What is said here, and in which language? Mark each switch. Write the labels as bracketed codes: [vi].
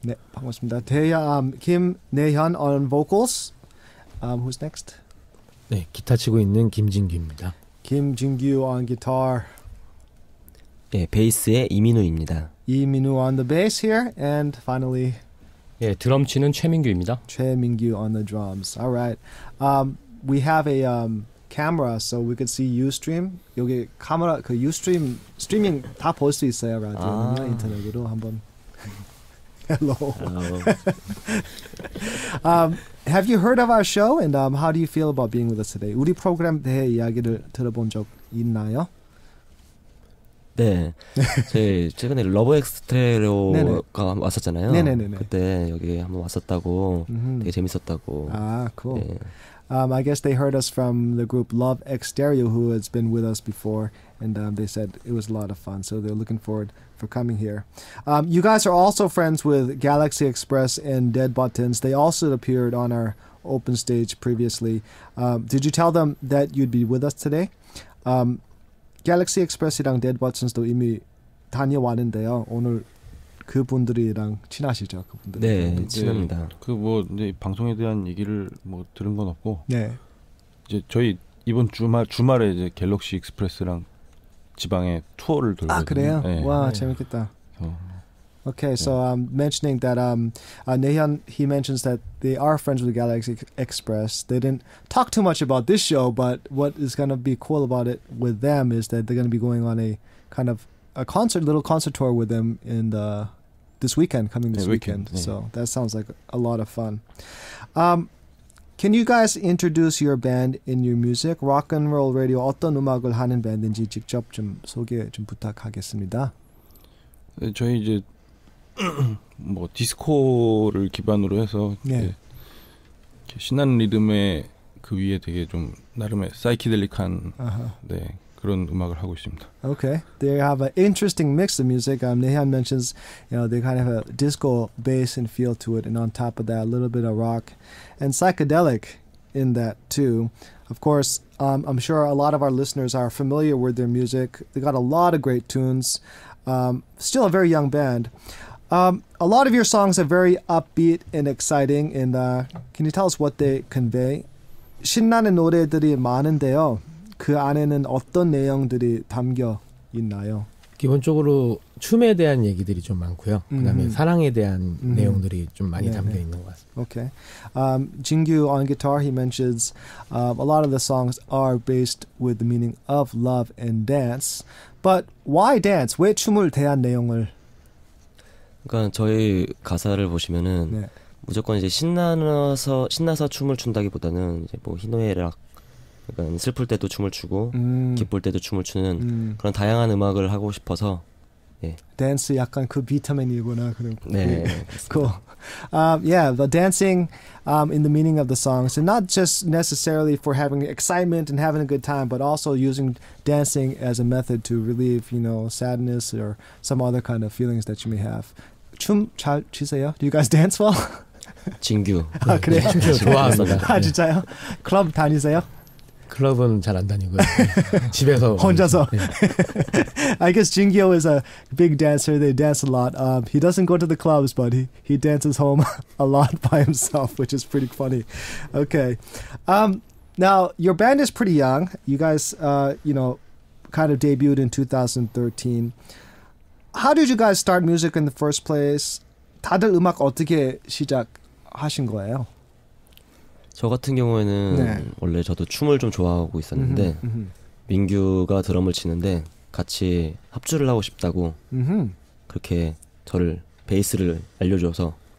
[ko] 네, 반갑습니다. 대야, 김내현 [en] on vocals. Who's next? [ko] 네, 기타 치고 있는 김진규입니다. [en] 김진규 on guitar. [ko] 네, 베이스의 이민우입니다. [en] 이민우 on the bass here, and finally. [ko] 네, 드럼 치는 최민규입니다. [en] 최민규 on the drums. All right. We have a camera, so we could see Ustream. [ko] 여기 카메라 그 Ustream 스트리밍 다 볼 수 있어요, 라디오 아. 인터넷으로 한번. [en] Hello. Hello. Have you heard of our show? And how do you feel about being with us today? [ko] 우리 프로그램 대해 이야기를 들어본 적 있나요? 네, 저희 최근에 러브 엑스트레로가 왔었잖아요. 네네네네. 그때 여기 한번 왔었다고, mm-hmm. 되게 재밌었다고. 아, cool. 네. [en] I guess they heard us from the group Love Exterio, who has been with us before, and they said it was a lot of fun, so they're looking forward for coming here. You guys are also friends with Galaxy Express and Dead Buttons. They also appeared on our open stage previously. Did you tell them that you'd be with us today? [ko] Galaxy Express이랑 Dead Buttons도 이미 다녀왔는데요. 오늘 그분들이랑 친하시죠? 그분들. 네, 친합니다. 그 뭐 이제 방송에 대한 얘기를 뭐 들은 건 없고. 네. 이제 저희 이번 주말에 이제 갤럭시 익스프레스랑 지방에 투어를 돌거든요. 아, 그래요? 네. 와, 네. 재밌겠다. 오케이. [en] Okay, so I'm mentioning that Nehyun, he mentions that they are friends with Galaxy Express. They didn't talk too much about this show, but what is going to be cool about it with them is that they're going to be going on a kind of a concert, little concert tour with them in the this weekend, coming this weekend. Yeah. So that sounds like a lot of fun. Can you guys introduce your band in your music? [ko] Rock and Roll Radio 어떤 음악을 하는 밴드인지 직접 좀 소개 좀 부탁하겠습니다. 저희 이제 뭐 디스코를 기반으로 해서 네. 이렇게 신나는 리듬에 그 위에 되게 좀 나름의 사이키델릭한 uh-huh. 네. 그런 음악을 하고 있습니다. [en] Okay. They have an interesting mix of music. Nehyun mentions, you know, they kind of have a disco bass and feel to it, and on top of that, a little bit of rock and psychedelic in that too. Of course, I'm sure a lot of our listeners are familiar with their music. They got a lot of great tunes. Still a very young band. A lot of your songs are very upbeat and exciting, and can you tell us what they convey? [ko] 신나는 노래들이 많은데요. 그 안에는 어떤 내용들이 담겨 있나요? 기본적으로 춤에 대한 얘기들이 좀 많고요. 그다음에 mm-hmm. 사랑에 대한 mm-hmm. 내용들이 좀 많이 yeah, 담겨 yeah. 있는 것 같습니다. [en] Okay. Jingyu on guitar, he mentions a lot of the songs are based with the meaning of love and dance. But why dance? [ko] 왜 춤을 대한 내용을? 그러니까 저희 가사를 보시면은 네. 무조건 이제 신나서 춤을 춘다기보다는 이제 뭐 희노애락 그러니까 슬플 때도 춤을 추고 기쁠 때도 춤을 추는 그런 다양한 음악을 하고 싶어서 예. 댄스 약간 그 비타민이구나 그런 네. [en] cool. Yeah, the dancing in the meaning of the songs and not just necessarily for having excitement and having a good time but also using dancing as a method to relieve, you know, sadness or some other kind of feelings that you may have. [ko] 춤 잘 추세요? [en] Do you guys dance well? [ko] 진규. 아, 그래. 진규 좋아합니다. 아, 진짜요? 네. 클럽 다니세요? 클럽은 잘 안 다니고요. 집에서 혼자서. [en] I guess Jingyo is a big dancer. They dance a lot. He doesn't go to the clubs, but he dances home a lot by himself, which is pretty funny. Okay. Now your band is pretty young. You guys, you know, kind of debuted in 2013. How did you guys start music in the first place? [ko] 다들 음악 어떻게 시작하신 거예요? 저 같은 경우에는 네. 원래 저도 춤을 좀 좋아하고 있었는데 민규가 드럼을 치는데 같이 합주를 하고 싶다고 그렇게 저를 베이스를 알려줘서